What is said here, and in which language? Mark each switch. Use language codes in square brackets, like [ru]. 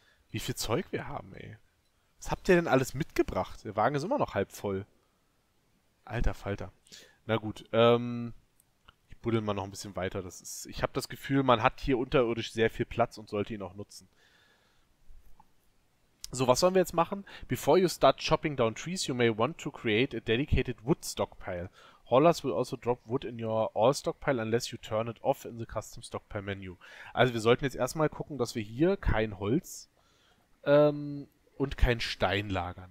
[de] Wie viel Zeug wir haben, ey. Was habt ihr denn alles mitgebracht? Der Wagen ist immer noch halb voll. Alter Falter. Na gut, ich buddel mal noch ein bisschen weiter. Das ist, ich habe das Gefühl, man hat hier unterirdisch sehr viel Platz und sollte ihn auch nutzen. So, was sollen wir jetzt machen? [en] Before you start chopping down trees, you may want to create a dedicated wood stockpile. Haulers will also drop wood in your all stockpile unless you turn it off in the custom stockpile menu. [de] Also wir sollten jetzt erstmal gucken, dass wir hier kein Holz und kein Stein lagern.